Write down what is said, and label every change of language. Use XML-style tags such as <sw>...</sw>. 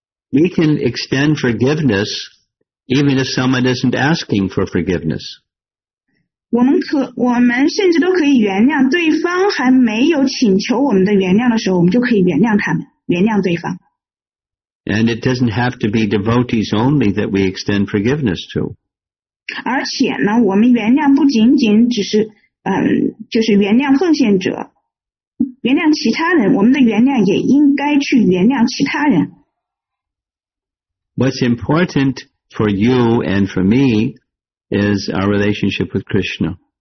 <en>We can extend forgiveness even if someone isn't asking for forgiveness.</en> <zh>我们甚至都可以原谅对方还没有请求我们的原谅的时候我们就可以原谅他们原谅对方。</zh> <en>And it doesn't have to be devotees only that we extend forgiveness to.</en> <zh>而且呢我们原谅不仅仅只是就是原谅奉献者原谅其他人我们的原谅也应该去原谅其他人。</zh> <en>What's important for you and for me is our relationship with Krishna.</en>